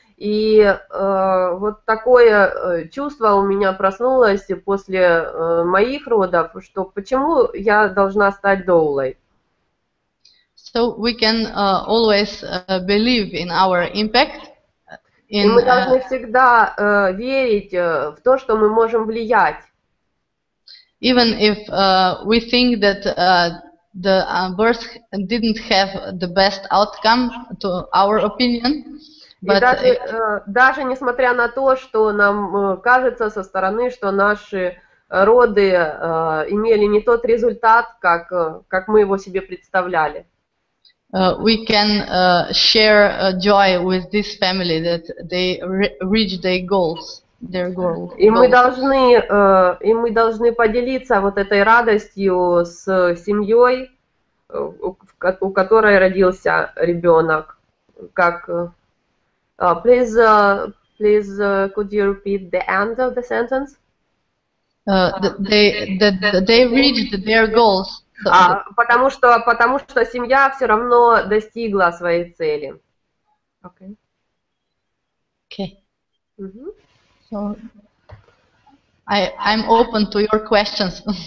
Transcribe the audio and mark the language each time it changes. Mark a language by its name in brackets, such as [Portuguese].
[Russian] И вот такое чувство у меня проснулось после моих родов, что почему я должна стать доулой. [English] So we can always believe in our impact. [Russian] И мы должны всегда верить в то, что мы можем влиять. [English] Even if we think that the birth didn't have the best outcome to our opinion. But [Russian] даже несмотря на то, что нам кажется со стороны, что наши роды имели не тот результат, как мы его себе представляли. [English] We can share joy with this family that they reached their goals. [Russian] И мы должны поделиться вот этой радостью с семьей, у которой родился ребенок. Как [English] please could you repeat the end of the sentence? They reached their goals. [Russian] Потому что семья все равно достигла своей цели. [English] Okay. Mm-hmm. So I'm open to your questions.